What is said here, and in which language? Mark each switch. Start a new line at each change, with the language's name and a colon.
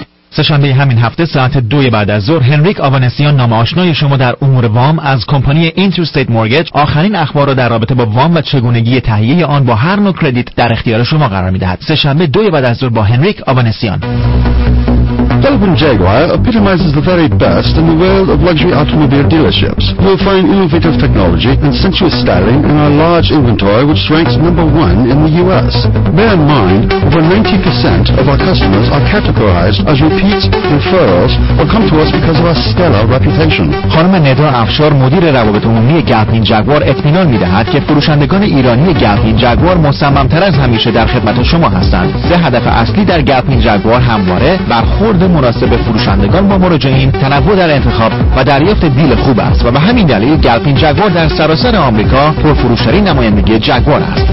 Persian: سه‌شنبه همین هفته ساعت 2 بعد از ظهر هنریک آوانسیان نام آشنای شما در امور وام از کمپانی اینترستیت مورگیج آخرین اخبار را در رابطه با وام و چگونگی تهیه آن با هر نوع کردیت در اختیار شما قرار می‌دهد. سه‌شنبه 2 بعد از ظهر با هنریک آوانسیان.
English: Delvin Jaguar epitomizes the very best in the world of luxury automobile dealerships. You'll find innovative technology and sensuous styling in our large inventory, which ranks number one in the U.S. Bear in mind, over 90% of our customers are categorized as repeats, referrals, or come to us because of our stellar reputation.
Persian: خانم ندا افشار مدیر روابط عمومی گلوین جگوار اطمینان می‌دهد که فروشندگان ایرانی گلوین جگوار مصمم‌تر از همیشه در خدمت شما هستند. سه هدف اصلی در گلوین جگوار همواره برخورد مناسب فروشندگان با مراجعین، تنوع در انتخاب و دریافت دیل خوب است و به همین دلیل گلفین جگوار در سراسر آمریکا پرفروش‌ترین نمایندگی جگوار است.